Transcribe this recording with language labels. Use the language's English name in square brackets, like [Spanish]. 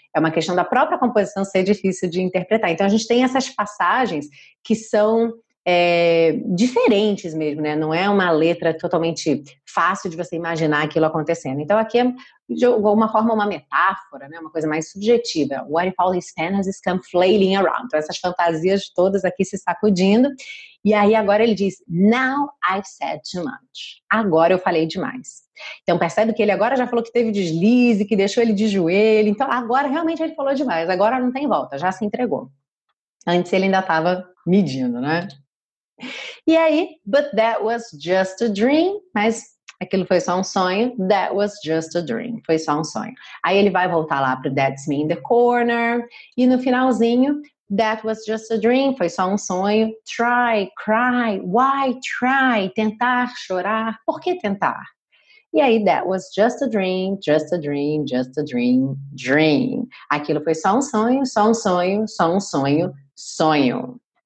[Portuguese] É uma questão da própria composição ser difícil de interpretar. Então, a gente tem essas passagens que são diferentes mesmo, né? Não é uma letra totalmente fácil de você imaginar aquilo acontecendo. Então, aqui é, de alguma forma, uma metáfora, né? Uma coisa mais subjetiva. [English] What if all these fantasies come flailing around? [Portuguese] Então, essas fantasias todas aqui se sacudindo. E aí, agora ele diz, [English] now I've said too much. [Portuguese] Agora eu falei demais. Então, percebe que ele agora já falou que teve deslize, que deixou ele de joelho. Então, agora realmente ele falou demais. Agora não tem volta, já se entregou. Antes ele ainda estava medindo, né? E aí, [English] but that was just a dream, [Portuguese] mas aquilo foi só um sonho, [English] that was just a dream, [Portuguese] foi só um sonho. Aí ele vai voltar lá pro [English] that's me in the corner, [Portuguese] e no finalzinho, [English] that was just a dream, [Portuguese] foi só um sonho, [English] try, cry, why try, [Portuguese] tentar, chorar, por que tentar? E aí, [English] that was just a dream, just a dream, just a dream, dream. [Portuguese] Aquilo foi só um sonho, só um sonho, só um sonho, sonho.